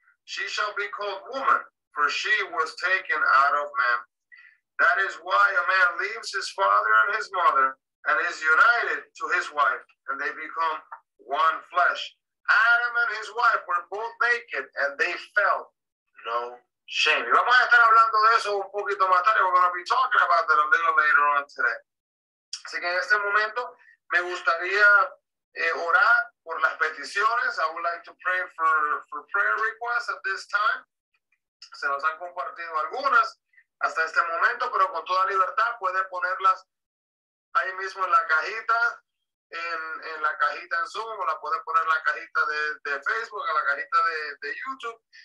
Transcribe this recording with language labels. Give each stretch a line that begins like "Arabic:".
English: She shall be called woman, for she was taken out of man. That is why a man leaves his father and his mother and is united to his wife, and they become one flesh. Adam and his wife were both naked, and they felt no shame.
Spanish: Y vamos a estar hablando de eso un poquito más tarde.
English: We're going to be talking about that a little later on today.
Spanish: Así que en este momento me gustaría orar por las peticiones.
English: I would like to pray for prayer requests at this time.
Spanish: Se nos han compartido algunas hasta este momento, pero con toda libertad puede ponerlas ahí mismo en la cajita, en la cajita en Zoom, o la puede poner en la cajita de Facebook, en la cajita de YouTube.